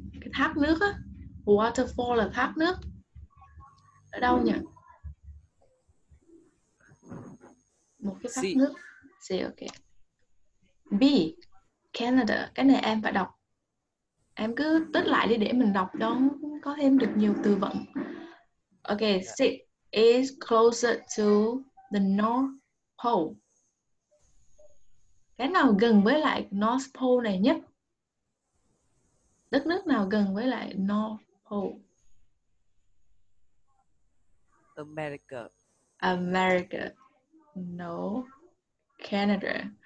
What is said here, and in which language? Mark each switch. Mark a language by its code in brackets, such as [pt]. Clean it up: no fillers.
[vi] Cái thác nước á. Waterfall là thác nước. Ở đâu nhỉ? Một cái thác nước. C, okay. B, Canada. Cái này em phải đọc. Em cứ tích lại đi để mình đọc đó, có thêm được nhiều từ vựng. [en] Okay, C is closer to the North Pole. [vi] Cái nào gần với lại North Pole này nhất? Đất nước nào gần với lại North Pole? [en] America. America. No. Canada.